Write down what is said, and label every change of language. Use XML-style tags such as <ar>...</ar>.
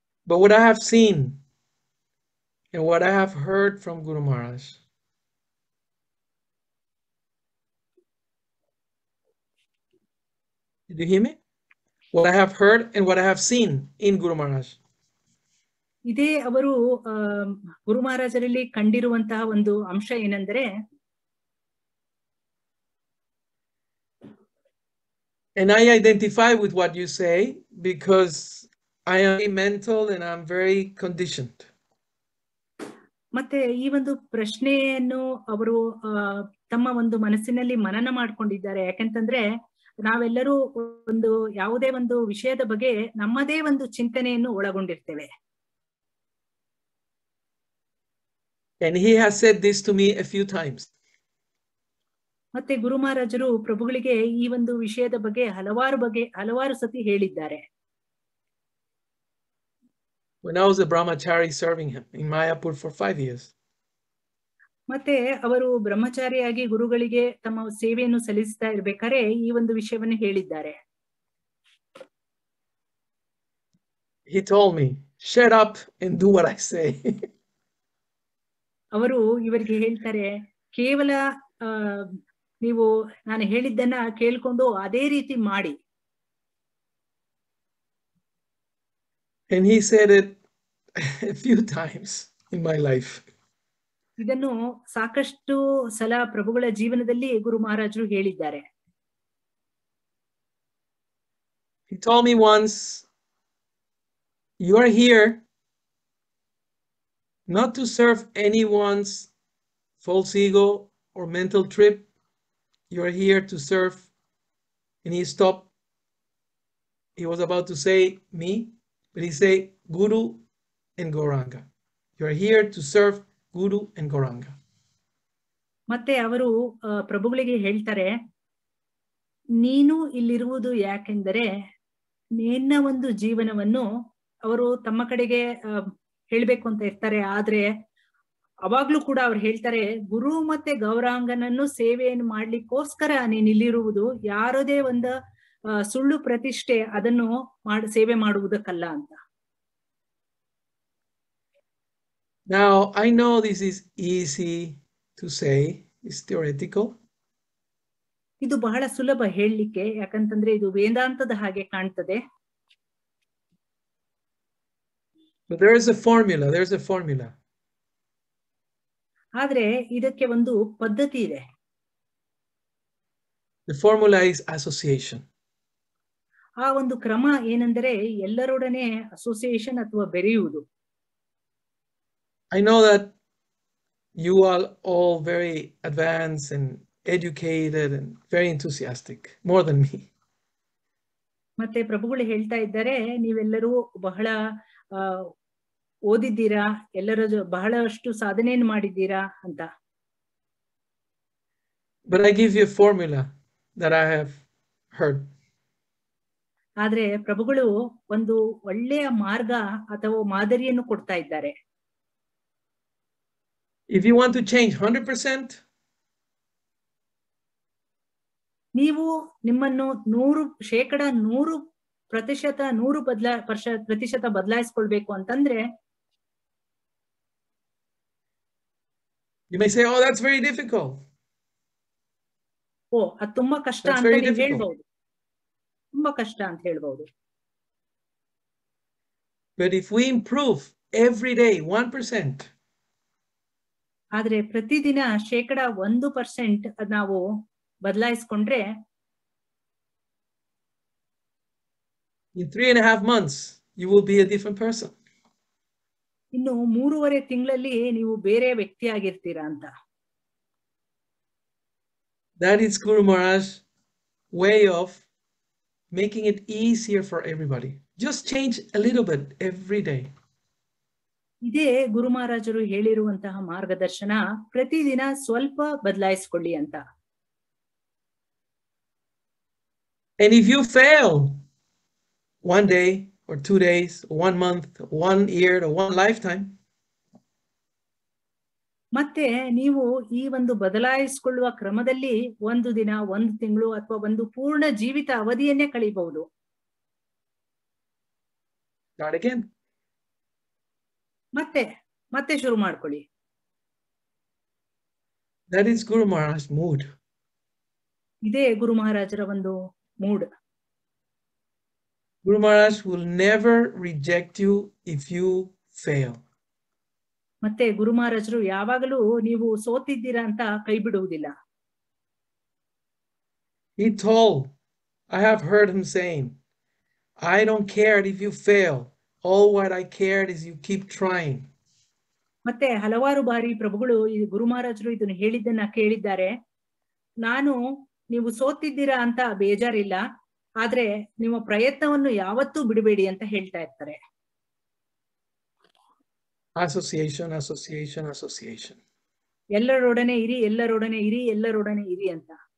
<en>But what I have seen and what I have heard from Guru Maharaj, did you hear me? What I have heard and what I have seen in Guru Maharaj.</en> <kn>ಇದೆ ಅವರು ಗುರು ಮಹಾರಾಜರಲ್ಲಿ ಕಂಡಿರುವಂತಹ ಒಂದು ಅಂಶ ಏನಂದ್ರೆ,</kn> <en>and I identify with what you say because I am mental and I'm very conditioned.</en> <kn>ಮತ್ತೆ ಈ ಒಂದು ಪ್ರಶ್ನೆಯನ್ನು ಅವರು ತಮ್ಮ ಒಂದು ಮನಸ್ಸಿನಲ್ಲಿ ಮನನ ಮಾಡ್ಕೊಂಡಿದ್ದಾರೆ. ಯಾಕೆಂತಂದ್ರೆ, ನಾವೆಲ್ಲರೂ ಒಂದು ಯಾವುದೇ ಒಂದು ವಿಷಯದ ಬಗ್ಗೆ ನಮ್ಮದೇ ಒಂದು ಚಿಂತನೆಯನ್ನು ಒಳಗೊಂಡಿರ್ತೇವೆ.</kn> <en>And he has said this to me a few times.</en> <kn>ಮತ್ತೆ ಗುರು ಮಹಾರಾಜರು ಪ್ರಭುಗಳಿಗೆ ಈ ಒಂದು ವಿಷಯದ ಬಗ್ಗೆ ಹಲವಾರು ಸತಿ ಹೇಳಿದ್ದಾರೆ.</kn> <en>When I was a brahmachari serving him in Mayapur for 5 years.</en> <kn>ಮತ್ತೆ ಅವರು ಬ್ರಹ್ಮಚಾರಿಯಾಗಿ ಗುರುಗಳಿಗೆ ತಮ್ಮ ಸೇವೆಯನ್ನು ಸಲ್ಲಿಸ್ತಾ ಇರ್ಬೇಕಾದ್ರೆ ಈ ಒಂದು ವಿಷಯವನ್ನು ಹೇಳಿದ್ದಾರೆ.</kn> <en>He told me, shut up and do what I say.</en> <kn>ಅವರು ಇವರಿಗೆ ಹೇಳ್ತಾರೆ, ಕೇವಲ ನೀವು ನಾನು ಹೇಳಿದ್ದನ್ನ ಕೇಳ್ಕೊಂಡು ಅದೇ ರೀತಿ ಮಾಡಿ.</kn> <en>And he said it a few times in my life.</en> <kn>ಇದನ್ನು ಸಾಕಷ್ಟು ಸಲ ಪ್ರಭುಗಳ ಜೀವನದಲ್ಲಿ ಗುರು ಮಹಾರಾಜರು ಹೇಳಿದ್ದಾರೆ.</kn> <en>He told me once, you are here not to serve anyone's false ego or mental trip. You are here to serve. And he stopped. He was about to say me, but he said Guru and Gauranga. You are here to serve Guru and Gauranga.</en> <kn>ಮತ್ತೆ ಅವರು ಪ್ರಭುಗಳಿಗೆ ಹೇಳ್ತಾರೆ, ನೀನು ಇಲ್ಲಿರುವುದು ಯಾಕೆಂದರೆ ನಿನ್ನ ಒಂದು ಜೀವನವನ್ನು ಅವರು ತಮ್ಮ ಕಡೆಗೆ ಹೇಳಬೇಕು ಅಂತ ಇರ್ತಾರೆ. ಆದ್ರೆ ಅವಾಗ್ಲೂ ಕೂಡ ಅವ್ರು ಹೇಳ್ತಾರೆ, ಗುರು ಮತ್ತೆ ಗೌರಾಂಗನನ್ನು ಸೇವೆಯನ್ನು ಮಾಡ್ಲಿಕ್ಕೋಸ್ಕರ ನೀನು ಇಲ್ಲಿರುವುದು, ಯಾರದೇ ಒಂದು ಸುಳ್ಳು ಪ್ರತಿಷ್ಠೆ ಅದನ್ನು ಸೇವೆ ಮಾಡುವುದಕ್ಕಲ್ಲ ಅಂತ.</kn> <en>Now I know this is easy to say, it's theoretical.</en> <kn>ಇದು ಬಹಳ ಸುಲಭ ಹೇಳಲಿಕ್ಕೆ, ಯಾಕಂತಂದ್ರೆ ಇದು ವೇದಾಂತದ ಹಾಗೆ ಕಾಣ್ತದೆ.</kn> <en>But there is a formula, there is a formula.</en> <kn>ಆದ್ರೆ ಇದಕ್ಕೆ ಒಂದು ಪದ್ಧತಿ ಇದೆ.</kn> <en>The formula is association.</en> <kn>ಆ ಒಂದು ಕ್ರಮ ಏನೆಂದರೆ ಎಲ್ಲರೊಡನೆ ಅಸೋಸಿಯೇಷನ್ ಅಥವಾ ಬೆರೆಯುವುದು.</kn> <en>I know that you are all very advanced and educated and very enthusiastic, more than me.</en> <kn>ಮತ್ತೆ ಪ್ರಭುಗಳು ಹೇಳ್ತಾ ಇದ್ದಾರೆ, ನೀವೆಲ್ಲರೂ ಬಹಳ ಓದಿದ್ದೀರಾ, ಎಲ್ಲರ ಬಹಳಷ್ಟು ಸಾಧನೆಯನ್ನು ಮಾಡಿದ್ದೀರಾ ಅಂತ.</kn> <en>But I give you a formula that I have heard.</en> <kn>ಆದ್ರೆ ಪ್ರಭುಗಳು ಒಂದು ಒಳ್ಳೆಯ ಮಾರ್ಗ ಅಥವಾ ಮಾದರಿಯನ್ನು ಕೊಡ್ತಾ ಇದ್ದಾರೆ.</kn> <en>If you want to change 100%,</en> <kn>ನೀವು ನಿಮ್ಮನ್ನು 100% 100% ಪ್ರತಿಶತ ಬದಲಾಯಿಸ್ಕೊಳ್ಬೇಕು ಅಂತಂದ್ರೆ,</kn> <en>you may say, oh, that's very difficult.</en> <kn>ಓ, ಅದು ತುಂಬಾ ಕಷ್ಟ ಅಂತ ಹೇಳ್ಬಹುದು, ತುಂಬಾ ಕಷ್ಟ ಅಂತ ಹೇಳ್ಬಹುದು.</kn> <en>But if we improve every day 1%,</en> <kn>ಆದ್ರೆ ಪ್ರತಿದಿನ 1% ನಾವು ಬದಲಾಯಿಸ್ಕೊಂಡ್ರೆ,</kn> <en>in 3.5 months you will be a different person.</en> <kn>ಇನ್ನು 3.5 ತಿಂಗಳಲ್ಲಿ ನೀವು ಬೇರೆ ವ್ಯಕ್ತಿಯಾಗಿರ್ತೀರಾ ಅಂತ.</kn> <en>That is Guru Maharaj's way of making it easier for everybody. Just change a little bit every day.</en> <kn>ಇದೇ ಗುರು ಮಹಾರಾಜರು ಹೇಳಿರುವಂತಹ ಮಾರ್ಗದರ್ಶನ, ಪ್ರತಿದಿನ ಸ್ವಲ್ಪ ಬದಲಾಯಿಸ್ಕೊಳ್ಳಿ ಅಂತ.</kn> <en>And if you fail one day or 2 days, one month, one year, or one lifetime,</en> <kn>ಮತ್ತೆ ನೀವು ಈ ಒಂದು ಬದಲಾಯಿಸಿಕೊಳ್ಳುವ ಕ್ರಮದಲ್ಲಿ ಒಂದು ದಿನ, ಒಂದು ತಿಂಗಳು ಅಥವಾ ಒಂದು ಪೂರ್ಣ ಜೀವಿತ ಅವಧಿಯನ್ನೇ ಕಳೆಯಬಹುದು.</kn> <en>Start again.</en> <kn>ಮತ್ತೆ ಶುರು ಮಾಡ್ಕೊಳ್ಳಿ.</kn> <en>That is Guru Maharaj's mood.</en> <kn>ಇದೇ ಗುರು ಮಹಾರಾಜರ ಒಂದು mood.</kn> <en>Guru Maharaj will never reject you if you fail.</en> <kn>ಮತ್ತೆ ಗುರು ಮಹಾರಾಜರು ಯಾವಾಗಲೂ ನೀವು ಸೋತಿದ್ದೀರಾ ಅಂತ ಕೈ ಬಿಡುವುದಿಲ್ಲ.</kn> <en>He told, I have heard him saying, I don't care if you fail. All what I cared is you keep trying.</en> <kn>ಮತ್ತೆ ಹಲವಾರು ಬಾರಿ ಪ್ರಭುಗಳು ಈ ಗುರು ಮಹಾರಾಜರು ಇದನ್ನು ಹೇಳಿದ್ದನ್ನ ಕೇಳಿದ್ದಾರೆ, ನಾನು ನೀವು ಸೋತಿದ್ದೀರಾ ಅಂತ ಬೇಜಾರಿಲ್ಲ, ಆದ್ರೆ ನಿಮ್ಮ ಪ್ರಯತ್ನವನ್ನು ಯಾವತ್ತೂ ಬಿಡಬೇಡಿ ಅಂತ ಹೇಳ್ತಾ ಇರ್ತಾರೆ.</kn> <en>Association, association, association.</en> <kn>ಎಲ್ಲರೊಡನೆ ಇರಿ, ಎಲ್ಲರೊಡನೆ ಇರಿ, ಎಲ್ಲರೊಡನೆ ಇರಿ ಅಂತ.</kn>